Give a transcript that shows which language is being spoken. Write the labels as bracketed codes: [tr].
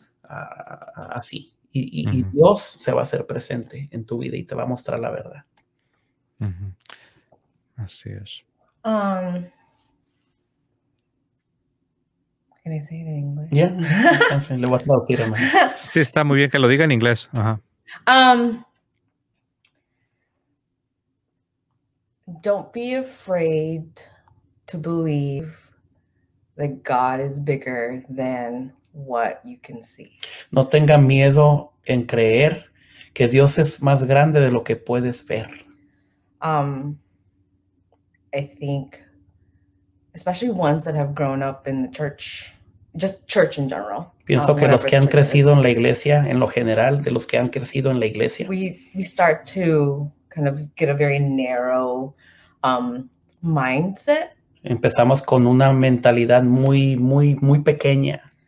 [es] Así. Y Dios se va a hacer presente en tu vida y te va a mostrar la verdad. Uh-huh. Así es. ¿Quieres decir en inglés? Yeah. Le voy a traducir, hermano. Sí, está muy bien que lo diga en inglés. [en] Don't be afraid to believe that God is bigger than what you can see. [es] No tenga miedo en creer que Dios es más grande de lo que puedes ver. [en] I think, especially ones that have grown up in the church, just church in general. [es] Pienso que los que han crecido en la iglesia, en lo general, de los que han crecido en la iglesia. [en] We start to kind of get a very narrow mindset. [es] Empezamos con una mentalidad muy, muy, muy pequeña.